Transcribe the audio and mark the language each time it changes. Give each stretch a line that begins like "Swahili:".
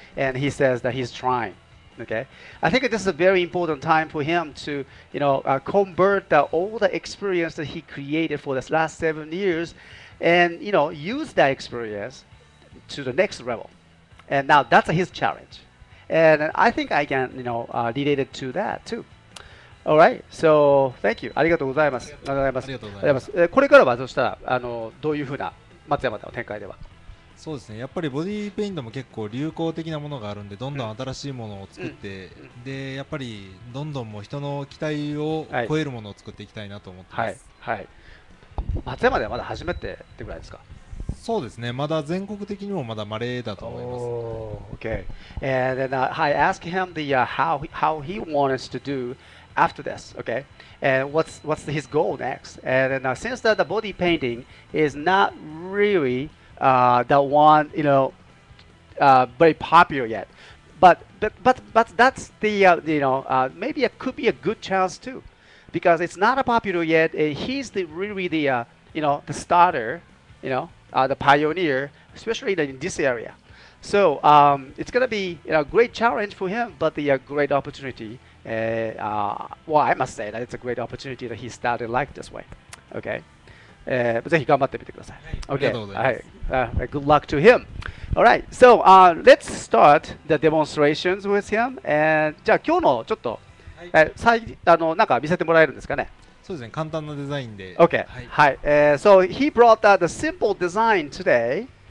English: And he says that he's trying. Okay, I think this is a very important time for him to, you know, convert all the experience that he created for the last 7 years, and you know, use that experience to the next level. And now that's his challenge, and I think I can, you know, relate it to that too. All right, so thank you.
Japanese: ありがとうございます。ありがとうございます。これからはそしたらあのどういうふうな松山の展開では。そうですね、やっぱりボディーペイントも結構流行的なものがあるんで、どんどん新しいものを作って、うん、でやっぱりどんどんも人の期待を超えるものを作っていきたいなと思ってます、はいはい、松山ではまだ初めてってぐらいですか。そうですね、まだ全国的にもまだ稀だと思います、
English: ね、oh, OK And then I asked him the, how he wants to do after this, OK And what's his goal next? And then, since that the body painting is not reallythat one, you know, very popular yet, but that's the you know, maybe it could be a good chance too, because it's not a popular yet. He's the really the you know, the starter, you know, the pioneer, especially in this area. So it's gonna be, you know, great challenge for him, but the great opportunity. Well, I must say that it's a great opportunity that he started like this way. Okay.
Japanese: ぜひ頑張ってみてください。はい、ありがとうございます。
English: はい、good luck to him. All right. So, let's start the demonstrations with him.
Japanese: And, じゃあ今日のちょっと、はい、あのなんか見せてもらえるんですかね。そうですね。簡単なデザインで。 Okay. はい。
English: はい、so he brought the simple design today.